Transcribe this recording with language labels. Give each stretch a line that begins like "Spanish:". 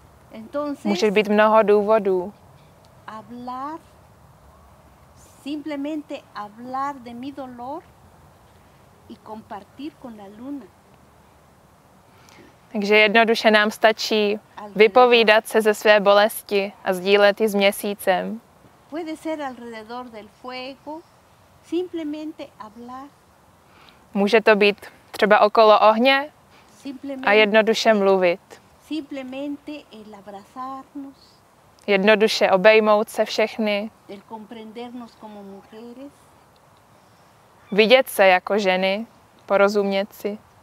Czech: Entonces, může být mnoho důvodů.
Spanish: Hablar, simplemente hablar de mi dolor y compartir con la luna.
Czech: Takže jednoduše nám stačí vypovídat se ze své bolesti a sdílet ji s měsícem.
Spanish: Puede ser alrededor del fuego, simplemente hablar.
Czech: Může to být třeba okolo ohně a jednoduše mluvit.
Spanish: Simplemente el abrazarnos.
Czech: Jednoduše obejmout se všechny.
Spanish: El comprendernos como mujeres.
Czech: Vidět se jako ženy, porozumět si.